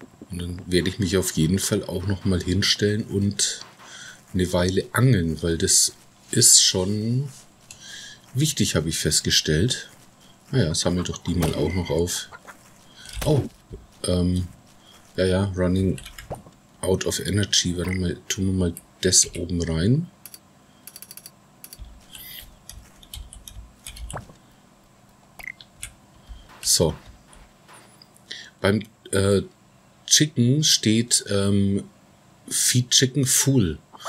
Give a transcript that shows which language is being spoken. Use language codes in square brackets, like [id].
[de] Und dann werde ich mich auf jeden Fall auch nochmal hinstellen und eine Weile angeln, weil das ist schon wichtig, habe ich festgestellt. Naja, sammel doch die mal auch noch auf. [en] Oh, running out of energy. [de] Warte mal, tun wir mal das oben rein. So. Beim Chicken steht [en] Feed Chicken Full.